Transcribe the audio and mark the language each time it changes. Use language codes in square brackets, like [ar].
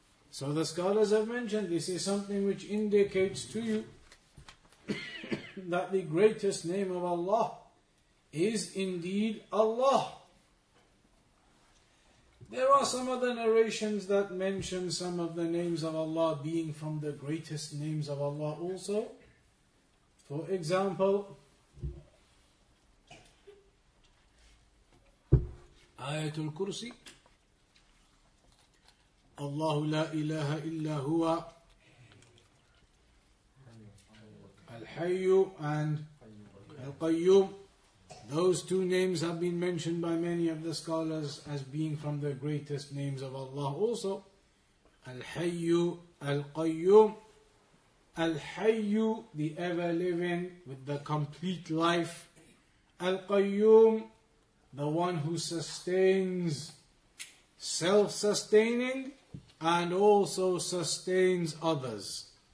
[en] So the scholars have mentioned, this is something which indicates to you that the greatest name of Allah is indeed Allah. There are some other narrations that mention some of the names of Allah being from the greatest names of Allah also. For example, Ayatul Kursi, [ar] الله لا إله إلا هو الحي [en] and [ar] القيوم. [en] Those two names have been mentioned by many of the scholars as being from the greatest names of Allah also. [ar] الحي القيوم. [en] الحي, the ever living with the complete life. القيوم, the one who sustains, self-sustaining, and also sustains others.